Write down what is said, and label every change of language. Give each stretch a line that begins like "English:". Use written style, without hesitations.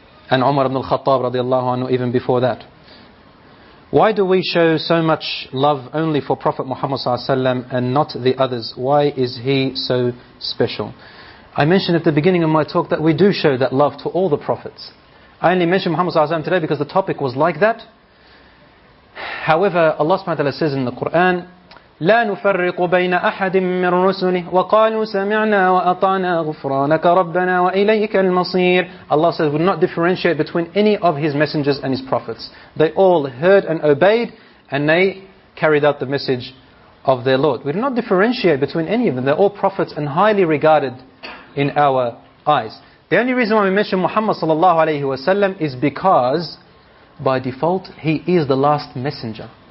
English: And Umar ibn al-Khattab radiallahu anhu even before that. Why do we show so much love only for Prophet Muhammad sallallahu alaihi wasallam and not the others? Why is he so special? I mentioned at the beginning of my talk that we do show that love to all the prophets. I only mentioned Muhammad sallallahu alaihi wasallam today because the topic was like that. However, Allah subhanahu wa ta'ala says in the Quran,
Arabic: لَا نُفَرِّقُ بَيْنَ أَحَدٍ مِّن رُسُلِهِ وَقَالُوا سَمِعْنَا وَأَطَعْنَا غُفْرَانَكَ رَبَّنَا وَإِلَيْكَ الْمَصِيرُ.
English: Allah says, we'll not differentiate between any of His messengers and His prophets. They all heard and obeyed, and they carried out the message of their Lord. We do not differentiate between any of them. They're all prophets and highly regarded in our eyes. The only reason why we mention Muhammad sallallahu alayhi wa sallam is because, by default, he is the last messenger.